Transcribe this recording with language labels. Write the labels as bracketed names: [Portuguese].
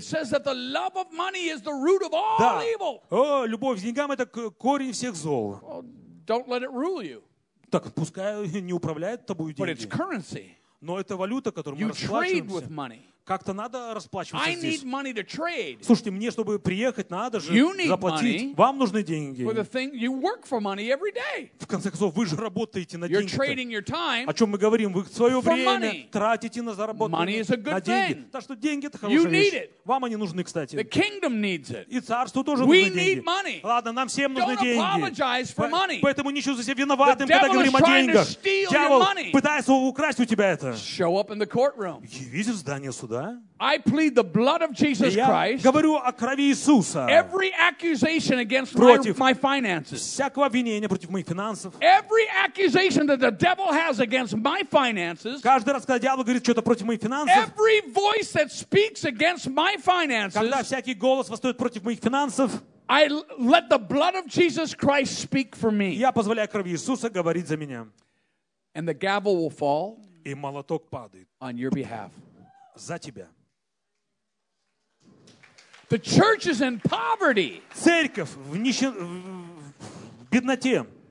[English] It says that the love of money is the root of all evil. [Russian] О, любовь к деньгам — это корень всех зол. [English] Don't let it rule you. [Russian] Так пускай не управляют тобой деньги. [English] But it's currency. [Russian] Но это валюта, которой мы расплачиваемся. Как-то надо расплачиваться здесь. [English] I need money to trade. [Russian] Слушайте, мне, чтобы приехать, надо же заплатить. Вам нужны деньги. В конце концов, вы же работаете на деньги. О чем мы говорим? Вы свое время тратите на заработанные деньги. Так что деньги — это хорошая вещь. Вам они нужны, кстати. [English] The kingdom needs it. [Russian] И царству тоже нужны деньги. Ладно, нам всем нужны деньги. Поэтому не чувствуй себя виноватым, когда говорим о деньгах. Дьявол пытается украсть у тебя это. [English] Show up in the courtroom. [Russian] Явись в здание суда. [English] I plead the blood of Jesus Christ. Every accusation against my finances. Every accusation that the devil has against my finances. [Russian] Каждый раз, когда дьявол говорит что-то против моих финансов. [English] Every voice that speaks against my finances. [Russian] Когда всякий голос восстает против моих финансов. [English] I let the blood of Jesus Christ speak for me. [Russian] Я позволяю крови Иисуса говорить за меня. [English] And the gavel will fall. [Russian] И молоток падает. [English] On your behalf. [Russian] За тебя. [English] The church is in poverty. [Russian] Церковь в нище, в бедноте.